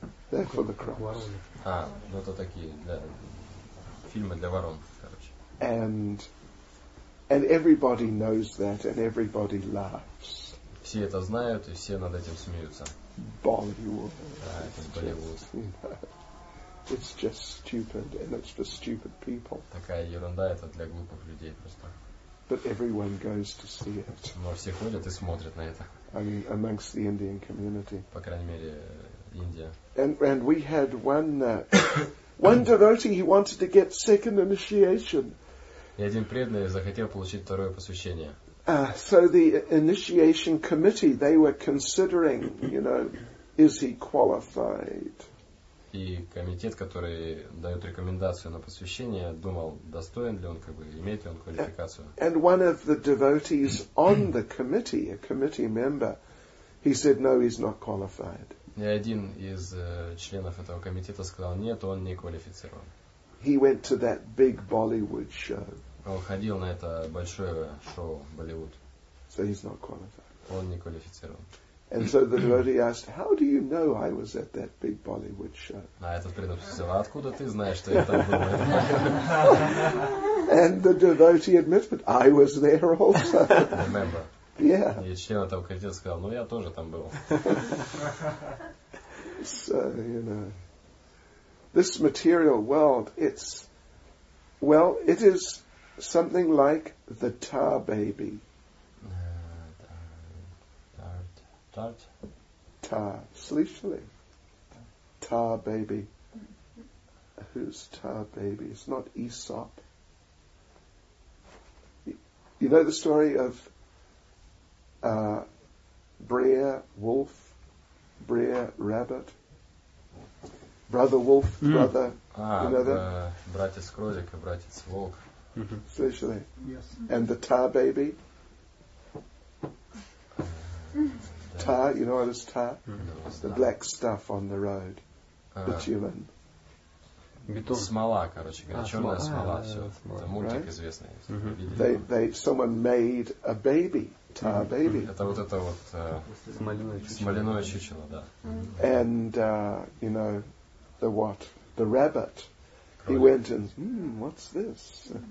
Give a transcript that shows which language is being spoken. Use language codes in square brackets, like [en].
[en] They're for the crows. [ru] А, ну это такие, да, фильмы для ворон, короче. [en] And everybody knows that, and everybody laughs. [ru] Все это знают и все над этим смеются. [en] Bollywood. [ru] Да, это Bollywood. [en] Just, you know, it's just stupid and it's for stupid people. [ru] Такая ерунда, это для глупых людей просто. [en] But everyone goes to see it. [ru] Но все ходят и смотрят на это. [en] I mean, amongst the Indian community. [ru] По крайней мере, Индия. [en] And we had one devotee, he wanted to get second initiation. [ru] И один преданный захотел получить второе посвящение. [en] So the initiation committee, they were considering, you know, is he qualified? [ru] И комитет, который дает рекомендацию на посвящение, думал, достоин ли он, как бы, имеет ли он квалификацию. [en] And one of the devotees on the committee, a committee member, he said, no, he's not qualified. [ru] И один из членов этого комитета сказал, нет, он не квалифицирован. [en] He went to that big Bollywood show. [ru] Он ходил на это большое шоу Болливуд. [en] So he's not qualified. [ru] Он не квалифицирован. [en] And so the devotee asked, how do you know I was at that big Bollywood show? And the devotee admits, but I was there also. Remember. Yeah. [ru] Член этого комитета сказал, ну я тоже там был. [en] So, you know, this material world, it's, well, it is something like the tar baby. Tar. [ru] Слышали? [en] Tar baby. Who's tar baby? It's not Aesop. You know the story of Brer Wolf, Brer Rabbit, Brother Wolf, Brother, [ru] Братец Крозик и Братец Волк. Слышали? [en] Yes. And the tar baby. Tar, you know what is tar? No, the black stuff on the road. Bitumen. [ru] Смола, короче, черная смола, все. Это мультик известный. [en] They someone made a baby, tar baby. [ru] Это вот это вот смоляное чучело, да. [en] And you know, the what? The rabbit. [ru] Кролик. [en] He went and what's this?